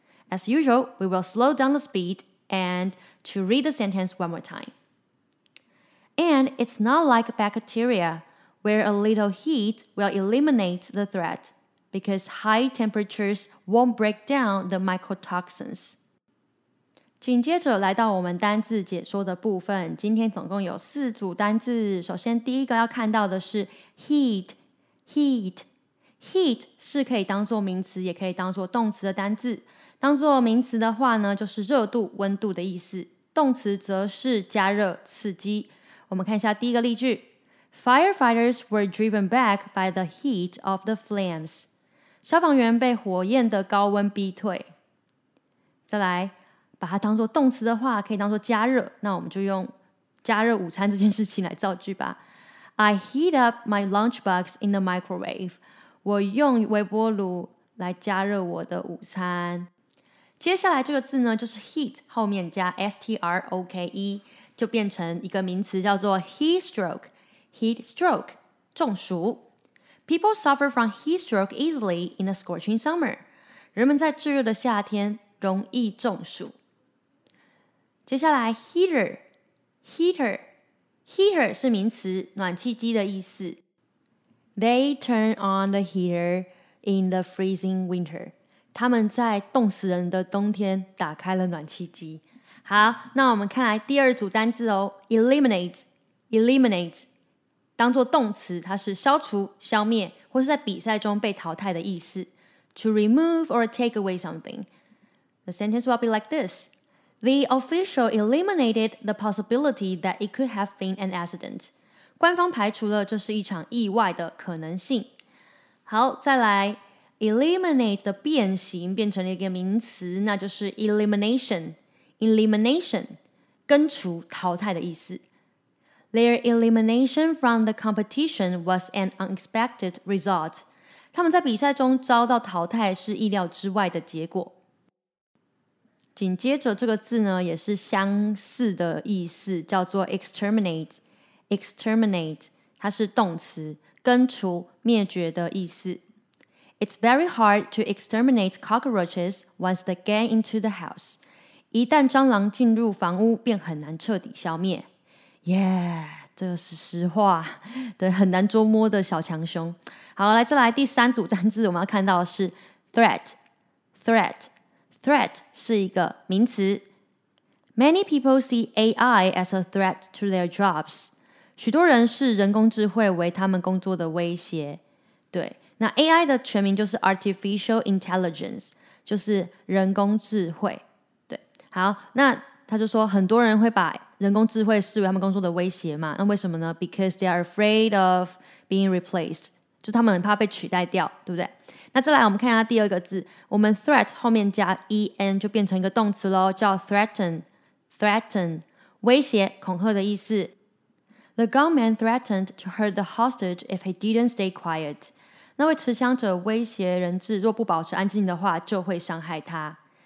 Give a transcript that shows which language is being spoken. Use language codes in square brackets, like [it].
[en] As usual, we will slow down the speed and to read the sentence one more time. And it's not like bacteria, where a little heat will eliminate the threat, because high temperatures won't break down the mycotoxins. [zh] 紧接着来到我们单字解说的部分，今天总共有四组单字。首先第一个要看到的是 heat 是可以当做名词也可以当做动词的单字。当做名词的话呢，就是热度温度的意思，动词则是加热刺激。我们看一下第一个例句， [en] Firefighters were driven back by the heat of the flames. [zh] 消防员被火焰的高温逼退。再来把它当做动词的话，可以当做加热，那我们就用加热午餐这件事情来造句吧。 [en] I heat up my lunchbox in the microwave. [zh] 我用微波炉来加热我的午餐。接下来这个字呢，就是 heat 后面加 stroke， 就变成一个名词，叫做 heat stroke。 [en] Heat stroke， 中暑。 People suffer from heat stroke easily in a scorching summer. [zh] 人们在炙热的夏天容易中暑。接下来 heater 是名词，暖气机的意思。 [en] They turn on the heater in the freezing winter. [zh] 他们在冻死人的冬天打开了暖气机。好，那我们看来第二组单字哦。 Eliminate 当作动词，它是消除、消灭，或是在比赛中被淘汰的意思。 [en] To remove or take away something. The sentence will be like this. The official eliminated the possibility that it could have been an accident. [zh] 官方排除了这是一场意外的可能性。好，再来 ,eliminate 的变形变成了一个名词，那就是 elimination。 elimination, 根除、淘汰的意思。 [en] Their elimination from the competition was an unexpected result. [zh] 他们在比赛中遭到淘汰是意料之外的结果。紧接着这个字呢，也是相似的意思，叫做 exterminate。 exterminate 它是动词，根除、灭绝的意思。 [en] It's very hard to exterminate cockroaches once they get into the house. [zh] 一旦蟑螂进入房屋，便很难彻底消灭。 Yeah, 这是实话，对，很难捉摸的小强凶。好，来再来第三组单字，我们要看到的是 threat。 Threat 是一个名词。 [en] Many people see AI as a threat to their jobs. [zh] 许多人视人工智慧为他们工作的威胁。对，那 AI 的全名就是 Artificial Intelligence， 就是人工智慧。对，好，那他就说很多人会把人工智慧视为他们工作的威胁嘛，那为什么呢？ [en] Because they are afraid of being replaced. [zh] 就他们很怕被取代掉，对不对？那再来我们看一下第二个字，我们 threat 后面加 en 就变成一个动词咯，叫 threaten 威胁、恐吓的意思。 [en] The gunman threatened to hurt the hostage if he didn't stay quiet. [zh] 那位持枪者威胁人质，若不保持安静的话就会伤害他。